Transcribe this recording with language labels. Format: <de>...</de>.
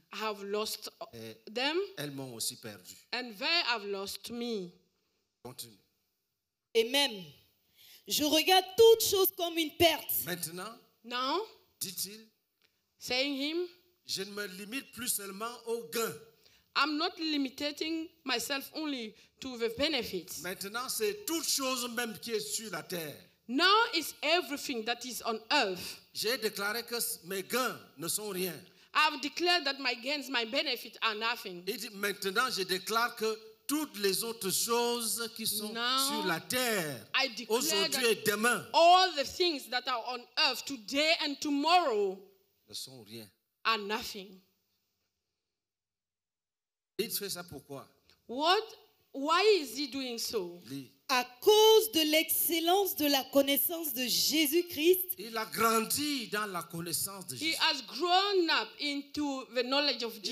<en>I have lost them.</en> <fr>Elles m'ont aussi perdu.</fr> <en>And they have lost me. Continue.</en> <fr>Et même, je regarde toutes choses comme une perte. Maintenant,</fr> <en>now,</en> <fr>dit-il,</fr> <en>saying him,</en> <fr>je ne me limite plus seulement aux gains.</fr> <en>I'm not limiting myself only to the benefits.</en> <fr>Maintenant, c'est toute chose même qui est sur la terre.</fr> <en>Now it's everything that is on earth.</en> <fr>J'ai déclaré que mes gains ne sont rien.</fr> <en>I've declared that my gains, my benefits are nothing.</en> <fr>Et maintenant, je déclare que toutes les autres choses qui sont</fr> <en>now,</en> <fr>sur la terre,</fr> <en>I declare</en> <fr>aujourd'hui et demain,</fr> <en>all the things that are on earth today and tomorrow,</en> <fr>ne sont rien.</fr> <en>Are nothing.</en> <fr>Il fait ça pourquoi?</fr> <en>What? Why is he doing so?</en> <fr>À cause de l'excellence de la connaissance de Jésus-Christ. Il a grandi dans la connaissance de Jésus.</fr> <en>He has grown up into the knowledge of Jesus.</en>